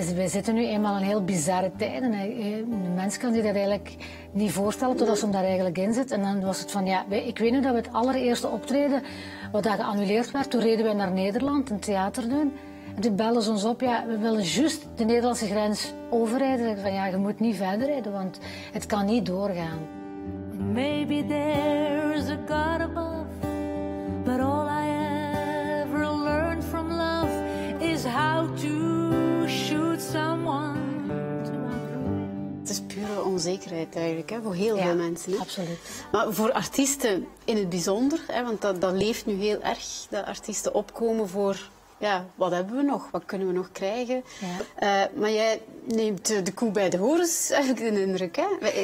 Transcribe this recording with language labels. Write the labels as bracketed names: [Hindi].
[Dutch] We zitten nu eenmaal in heel bizarre tijden. Een mens kan zich dat eigenlijk niet voorstellen totdat ze hem daar eigenlijk in zit. En dan was het van, ja, ik weet nu dat we het allereerste optreden, wat dat geannuleerd werd, toen reden wij naar Nederland een theater doen. En toen bellen ze ons op, ja, we willen juist de Nederlandse grens overrijden. Ik zeg van, ja, je moet niet verder rijden, want het kan niet doorgaan. [English] Maybe there is a God above, but all I ever learned from love is how to shoot someone to my [Dutch] dream. Het is pure onzekerheid eigenlijk, hè, voor heel veel mensen. Hè? Absoluut. Maar voor artiesten in het bijzonder, hè, want dat leeft nu heel erg, dat artiesten opkomen voor... Ja, wat hebben we nog? Wat kunnen we nog krijgen? Ja. Maar jij neemt de koe bij de horens, heb ik de indruk. Hè?